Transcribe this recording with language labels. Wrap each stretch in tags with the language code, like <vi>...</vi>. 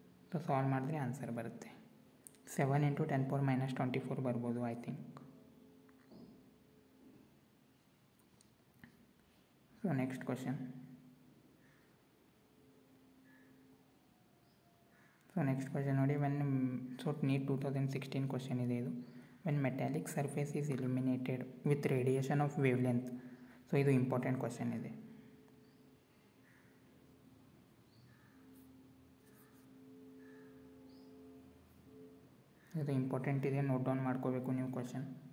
<kn>So solve ಮಾಡಿದ್ರೆ answer ಬರುತ್ತೆ 7 × 10⁻²⁴ ಬರ್ಬೋದು I think. So next question, ನೋಡಿ, ವೆನ್ ಸೊ ನೀಟ್ 2016 ಕ್ವಶನ್ ಇದೆ ಇದು.</kn> <en>when metallic surface is illuminated with radiation of wavelength.</en> <kn>So ಇದು important question ಇದೆ. ಇದು ಇಂಪಾರ್ಟೆಂಟ್ ಇದೆ, ನೋಟ್ ಡೌನ್ ಮಾಡ್ಕೋಬೇಕು ನೀವು ಕ್ವಶನ್.</kn>